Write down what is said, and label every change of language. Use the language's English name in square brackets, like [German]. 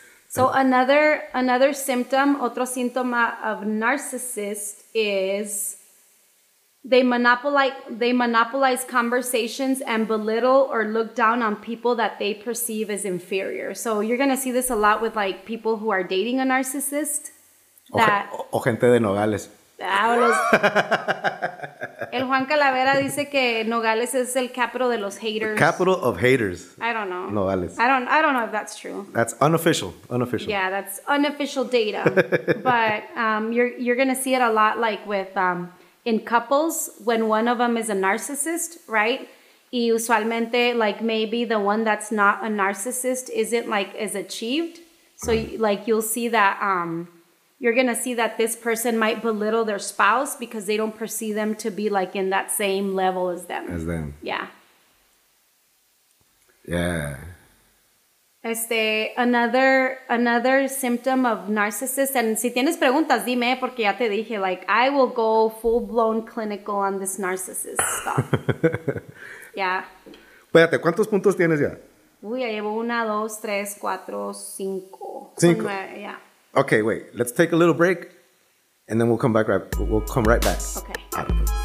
[English] So another symptom, [Spanish] otro síntoma [English] of narcissist is they monopolize conversations and belittle or look down on people that they perceive as inferior. So you're going to see this a lot with like people who are dating a narcissist. [Spanish] O gente de Nogales. El Juan Calavera dice que Nogales es el capital de los haters. [English] The capital of haters. I don't know. Nogales. I don't know if that's true. That's unofficial. Unofficial. Yeah, that's unofficial data. But you're going to see it a lot like with in couples when one of them is a narcissist, right? [Spanish] Y usualmente [English] like maybe the one that's not a narcissist isn't like as achieved. So like you'll see that you're going to see that this person might belittle their spouse because they don't perceive them to be like in that same level as them. As them. Yeah. Yeah. Another symptom of narcissist, and [Spanish] si tienes preguntas, dime, porque ya te dije, [English] like, I will go full-blown clinical on this narcissist stuff. Yeah. [Spanish] Espérate, ¿cuántos puntos tienes ya? Uy, ya llevo una, dos, tres, cuatro, cinco. Cinco. [English] Yeah. Okay, wait, let's take a little break and then we'll come right back. Okay.